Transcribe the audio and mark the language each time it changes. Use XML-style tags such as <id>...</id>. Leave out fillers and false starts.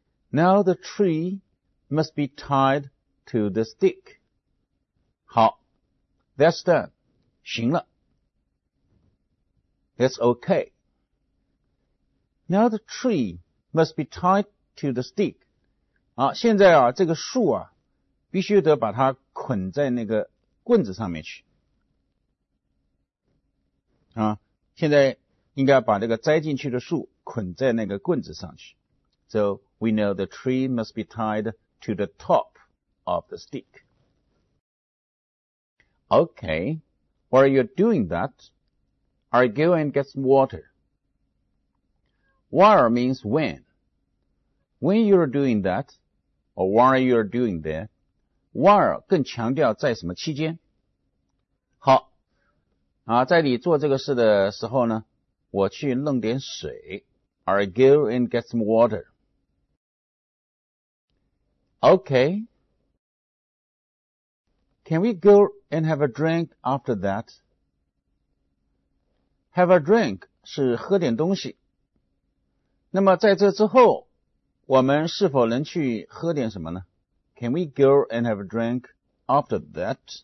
<en>Now the tree must be tied to the stick. 好 That's done.</en> <zh>行了</zh> <en>That's okay. Now the tree must be tied to the stick.</en> <zh>啊，现在啊，这个树啊，必须得把它捆在那个棍子上面去。啊，现在应该把这个栽进去的树捆在那个棍子上去。</zh> <en>So we know the tree must be tied to the top of the stick. Okay, while you're doing that, I'll go and get some water. While means when. When you're doing that, or while you're doing that,</en> <zh>while 更强调在什么期间。好，啊，在你做这个事的时候呢，我去弄点水。</zh> <en>I'll go and get some water. Okay. Can we go and have a drink after that? Have a drink</en> <zh>是喝点东西。那么在这之后，我们是否能去喝点什么呢？</zh> <en>Can we go and have a drink after that?</en>